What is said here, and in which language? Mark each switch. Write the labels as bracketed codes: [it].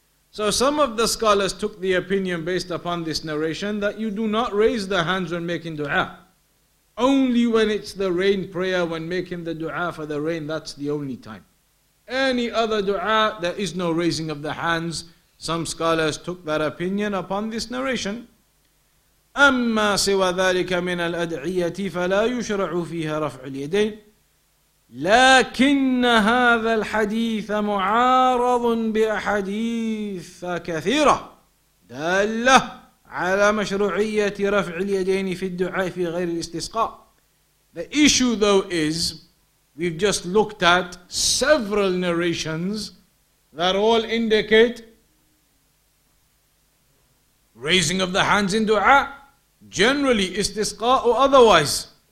[en] So some of the scholars took the opinion based upon this narration that you do not raise the hands when making dua. Only when it's the rain prayer, when making the dua for the rain, that's the only time. Any other dua, there is no raising of the hands. Some scholars took that opinion upon this narration. [ar] أَمَّا سِوَ ذَلِكَ مِنَ الْأَدْعِيَةِ فَلَا يُشْرَعُ فِيهَا رَفْعُ الْيَدَيْنِ لَكِنَّ هَذَا الْحَدِيثَ مُعَارَضٌ بِأَحَدِيثَ كَثِيرَةٌ دَالَّةٌ على مشروعية رفع اليدين في الدعاء في غير الاستسقاء. [en] The issue though is, we've just looked at several narrations that all indicate raising of the hands in dua, generally istisqa or otherwise.